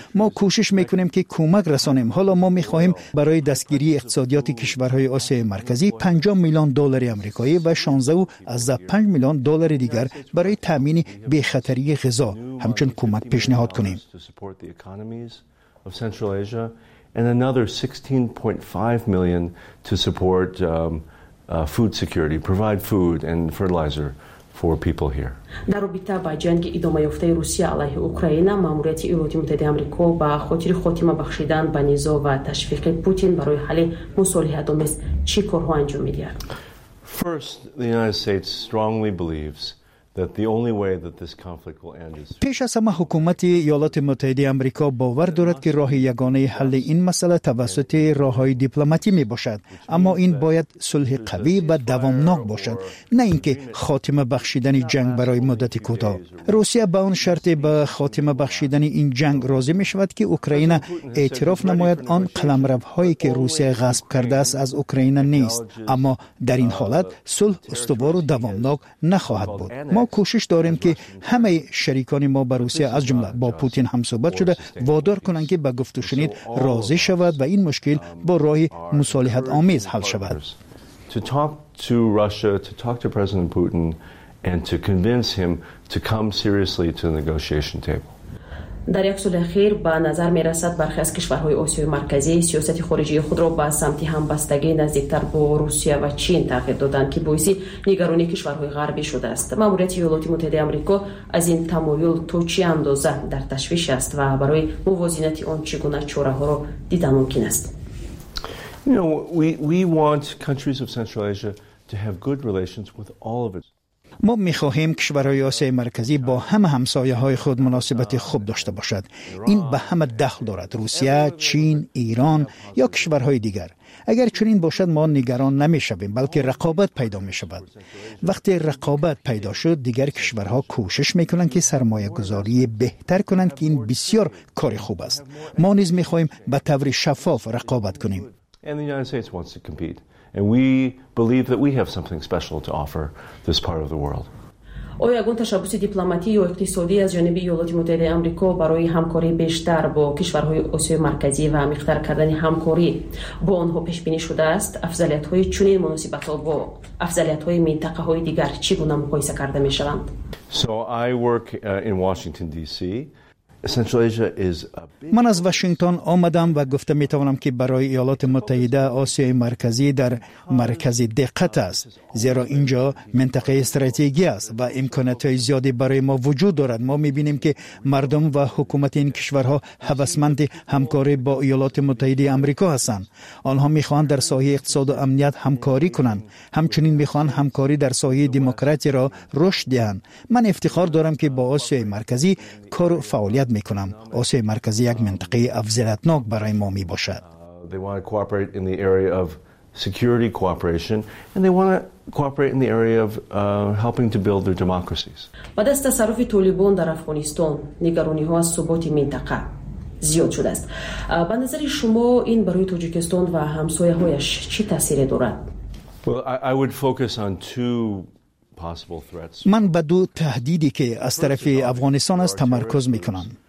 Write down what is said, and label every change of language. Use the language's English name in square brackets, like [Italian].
[Persian] ما کوشش میکنیم که کمک رسانیم. حالا ما میخواهیم برای دستگیری اقتصادیات کشورهای آسیای مرکزی 5 میلیون دلار آمریکایی و 16.5 میلیون دلار دیگر برای تامین بی‌خطری غذا همچون کمک پیشنهاد کنیم. [English] And another 16.5 million to support food security, provide food and fertilizer for people here. [Persian] در رابطه با جنگ ادامه یافته روسیه علیه اوکراین، ماموریت ایالات متحده آمریکا با خاطر خاتمه بخشیدن به نزاع و تشویق پوتین برای حل مصالحه دومس چی کارها انجام می‌دهد؟ [English] First, the United States strongly believes that the only way that this conflict will end is [Persian] پیش از همه حکومت ایالات متحده آمریکا باور دارد که راه یگانه حل این مسئله توسط راه‌های دیپلماتیک میباشد، اما این باید صلح قوی و دوامناک باشد، نه اینکه خاتمه بخشیدن جنگ برای مدت کوتاه. روسیه به آن شرط به خاتمه بخشیدن این جنگ راضی میشود که اوکراین اعتراف نماید آن قلمروهایی که روسیه غصب کرده است از اوکراین نیست، اما در این حالت صلح استوار و دوامناک نخواهد بود. ما کوشش داریم که همه شریکان ما به روسیه از جمله با پوتین هم صحبت شده وادار کنند که به گفت و شنید راضی شود و این مشکل با راه مصالحت آمیز حل شود. [English] To talk to Russia, to talk to President Putin and to convince him to come seriously to the negotiation table. [Persian] در یک سال اخیر به نظر می رسد برخی از کشورهای آسیای مرکزی سیاست خارجی خود را به سمت همبستگی نزدیکتر با روسیه و چین تغییر دادند که باعث نگرانی کشورهای غربی شده است. ماموریت ایالات متحده آمریکا از این تمایل تا چه اندازه در تشویش است و برای موازنت آن چگونه چاره ها را دیدن ممکن است؟ [English] We want countries of Central Asia to have good relations with all of its. [Persian] ما می خواهیم کشورهای آسیای مرکزی با همه همسایه های خود مناسبت خوب داشته باشد. این به همه دخل دارد، روسیه، چین، ایران یا کشورهای دیگر. اگر چنین باشد ما نگران نمی شویم، بلکه رقابت پیدا می شود. وقتی رقابت پیدا شد دیگر کشورها کوشش می کنند که سرمایه گذاری بهتر کنند که این بسیار کار خوب است. ما نیز می خواهیم به طور شفاف رقابت کنیم. [English] And we believe that we have something special to offer this part of the world. [Persian] آیا گونه تشبث دیپلماتیک و اقتصادی از جانب ایالات متحده آمریکا برای همکاری بیشتر با کشورهای آسیای مرکزی و عمیق‌تر کردن همکاری با آنها پیش بینی شده است؟ افضلیت‌های چنین مناسبت‌ها با افضلیت‌های منطقه‌های دیگر چگونه مقایسه کرده می‌شوند؟ [English] So I work in Washington DC. Central Asia is a big. [Persian] من از واشنگتن آمدم و گفته می توانم که برای ایالات متحده آسیای مرکزی در مرکز دقت است، زیرا اینجا منطقه استراتژی است و امکانات زیادی برای ما وجود دارد. ما می بینیم که مردم و حکومت این کشورها هوسمند همکاری با ایالات متحده آمریکا هستند. آنها می خواهند در سایه اقتصاد و امنیت همکاری کنند، همچنین می خواهند همکاری در سایه دموکراسی را رشد دهند. من افتخار دارم که با آسیای مرکزی کار و فعالیت میکنم. آسیای مرکزی یک منطقه افضلیتناک برای ما می باشد. [English] They want to cooperate in the area of security cooperation and they want to cooperate in the area of helping to build their democracies. [Persian] با دست تصرف طالبان در افغانستان نگرانی ها از ثبات منطقه زیاد شده است. به نظر شما این برای تاجیکستان و همسایه هایش چی تاثیر دارد؟ [English] Well, I would focus on two. [Persian] من به دو تهدیدی که از طرف افغانستان است تمرکز میکنم.